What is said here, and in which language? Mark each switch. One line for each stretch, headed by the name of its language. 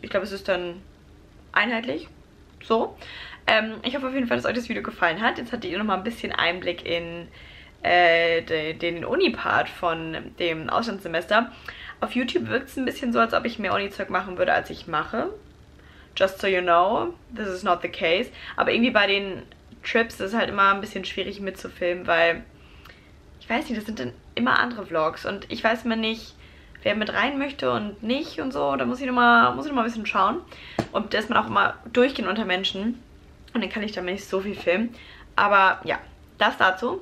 German: Ich glaube, es ist dann einheitlich. So. Ich hoffe auf jeden Fall, dass euch das Video gefallen hat. Jetzt hattet ihr nochmal ein bisschen Einblick in den Uni-Part von dem Auslandssemester. Auf YouTube wirkt es ein bisschen so, als ob ich mehr Uni-Zeug machen würde, als ich mache.
English: Just so you know, this is not the case.
German: Aber irgendwie bei den Trips ist es halt immer ein bisschen schwierig mitzufilmen, weil ich weiß nicht, das sind dann immer andere Vlogs. Und ich weiß immer nicht, wer mit rein möchte und nicht und so. Da muss ich nochmal ein bisschen schauen. Und da ist man auch immer durchgehend unter Menschen. Und dann kann ich damit nicht so viel filmen. Aber ja, das dazu.